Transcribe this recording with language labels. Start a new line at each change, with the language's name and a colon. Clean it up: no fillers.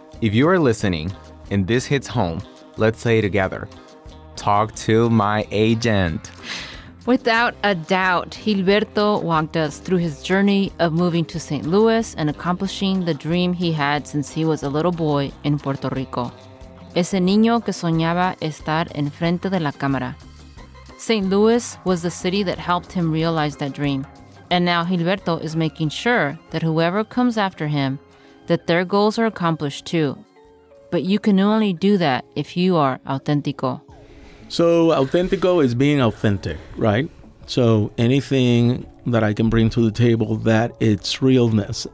English: If you are listening and this hits home, let's say together, talk to my agent. Without a doubt, Gilberto walked us through his journey of moving to St. Louis and accomplishing the dream he had since he was a little boy in Puerto Rico.
Spanish: Ese niño que soñaba estar en frente de la cámara.
English: St. Louis was the city that helped him realize that dream. And now Gilberto is making sure that whoever comes after him, that their goals are accomplished too. But you can only do that if you are auténtico. So authentico is being authentic, right? So anything that I can bring to the table, that it's realness.